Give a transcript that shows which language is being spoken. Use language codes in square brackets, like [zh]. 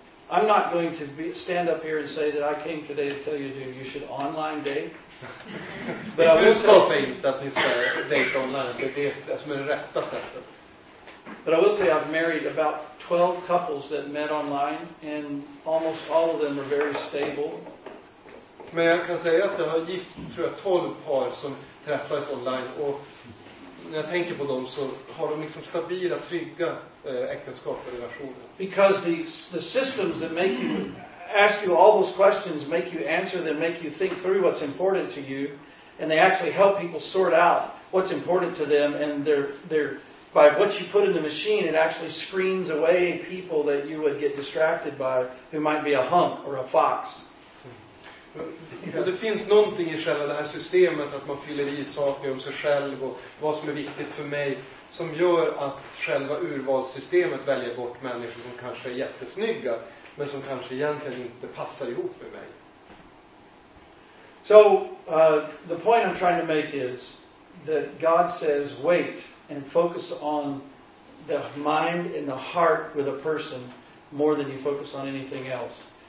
[en] I'm not going to stand up here and say that I came today to tell you, dude, you should online date. But I will tell you that this date online is the right way. But I will tell you, I've married about 12 couples that met online, and almost all of them are very stable. [sv] Men jag kan säga att jag har gift, tror jag, 12 par som träffades online, och när jag tänker på dem så har de liksom stabila, trygga äktenskap och relationer. [en] Because the systems that make you ask you all those questions, make you answer them, make you think through what's important to you, and they actually help people sort out what's important to them, and their by what you put in the machine, it actually screens away people that you would get distracted by, who might be a hunk or a fox. [sv] Det finns någonting i själva det här systemet, att man fyller i saker om sig själv och vad som är viktigt för mig, som gör att själva urvalssystemet väljer bort människor som kanske är jättesnygga, men som kanske egentligen inte passar ihop med mig. [en] So, the point I'm trying to make is that God says, wait, and focus on the mind and the heart with a person more than you focus on anything else.